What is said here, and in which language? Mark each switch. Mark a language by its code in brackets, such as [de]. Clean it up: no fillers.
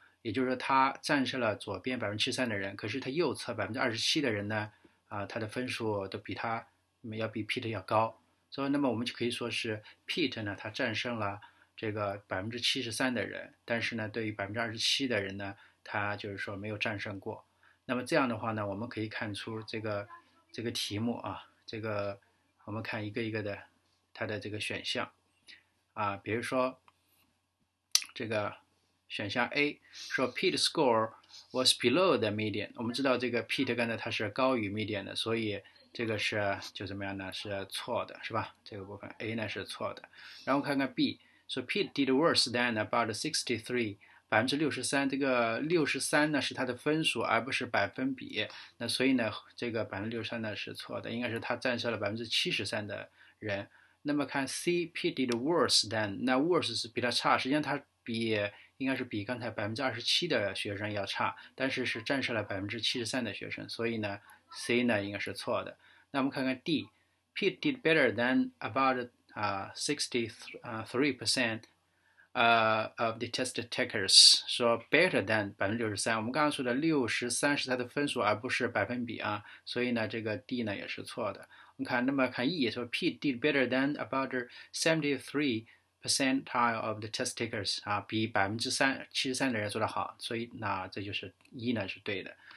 [zh] 也就是说，他战胜了左边73%的人，可是他右侧27%的人呢，他的分数都比他要比 Pete 要高，所以那么我们就可以说是 Pete 呢，他战胜了这个73%的人，但是呢，对于27%的人呢，他就是说没有战胜过。那么这样的话呢，我们可以看出这个题目啊，这个我们看一个的它的这个选项啊，比如说这个。选项 A 说 [en] Pete's score was below the median。 [zh] 我们知道这个 Pete 刚才他是高于 median 的，所以这个是就怎么样呢？是错的，是吧？这个部分 A 呢是错的。然后看看 B，说 [en] Pete did worse than about 63，63%。 [zh] 这个63呢是他的分数，而不是百分比。那所以呢，这个63呢是错的，应该是他战胜了73%的人。那么看 C， [en] Pete did worse than， [zh] 那 worse 是比他差，实际上他比。应该是比刚才27%的学生要差，但是是战胜了73%的学生，所以呢，C 呢应该是错的。那我们看看 D， [en] Pete did better than about 63% of the test takers，说 better than 63%。 [zh] 我们刚刚说的63是他的分数，而不是百分比啊，所以呢，这个 D 呢也是错的。我们看，那么看 E，说 [en] Pete did better than about 73%。 percentile of the test takers [zh] 啊，比73%的人做得好，所以那这就是一呢是对的。